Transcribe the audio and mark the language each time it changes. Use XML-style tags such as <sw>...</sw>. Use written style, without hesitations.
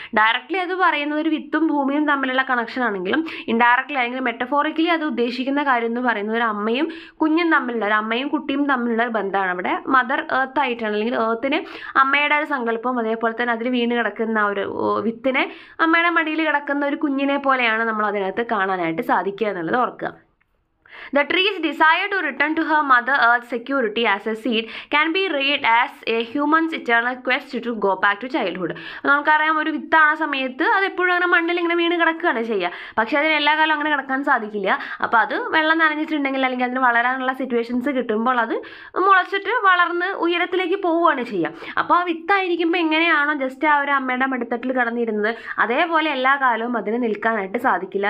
<ml>Directly അത് പറയുന്നത് ഒരു വിത്തും ഭൂമിയും തമ്മിലുള്ള കണക്ഷൻ ആണെങ്കിലും, ഇൻഡയറക്റ്റ്ലി അല്ലെങ്കിൽ മെറ്റഫോറിക്കലി അത് ഉദ്ദേശിക്കുന്ന കാര്യം എന്ന് പറയുന്നത് ഒരു അമ്മയും കുഞ്ഞും തമ്മിലുള്ള, ഒരു അമ്മയും കുട്ടിയും തമ്മിലുള്ള ഒരു ബന്ധമാണ് അവിടെ. മദർ ഏർത്ത് ആയിട്ടാണ്, അല്ലെങ്കിൽ ഏർത്തിന് അമ്മയുടെ ഒരു സങ്കല്പം, അതേപോലെ തന്നെ അതിൽ വീണ് കിടക്കുന്ന ഒരു വിത്തിനെ അമ്മയുടെ മടിയിൽ കിടക്കുന്ന ഒരു കുഞ്ഞിനെ പോലെയാണ് നമ്മൾ അതിനകത്ത് കാണാനായിട്ട് സാധിക്കുക എന്നുള്ളത് ഓർക്കുക.</ml> <en>The tree's desire to return to her mother earth's security as a seed can be read as a human's eternal quest to go back to childhood.</en> <ml>നമുക്കറിയാം ഒരു വിത്താണ സമയത്ത് അത് എപ്പോഴും അങ്ങനെ മണ്ണിൽ ഇങ്ങനെ വീണ് കിടക്കുകയാണ് ചെയ്യുക. പക്ഷേ അതിന് എല്ലാ കാലവും അങ്ങനെ കിടക്കാൻ സാധിക്കില്ല. അപ്പോൾ അത് വെള്ളം നനഞ്ഞിട്ടുണ്ടെങ്കിൽ, അല്ലെങ്കിൽ അതിന് വളരാനുള്ള സിറ്റുവേഷൻസ് കിട്ടുമ്പോൾ അത് മുളച്ചിട്ട് വളർന്ന് ഉയരത്തിലേക്ക് പോവുകയാണ് ചെയ്യുക. അപ്പോൾ ആ വിത്തായിരിക്കുമ്പോൾ എങ്ങനെയാണോ ജസ്റ്റ് ആ ഒരു അമ്മയുടെ മടിത്തട്ടിൽ കിടന്നിരുന്നത്, അതേപോലെ എല്ലാ കാലവും അതിന് നിൽക്കാനായിട്ട് സാധിക്കില്ല.</ml>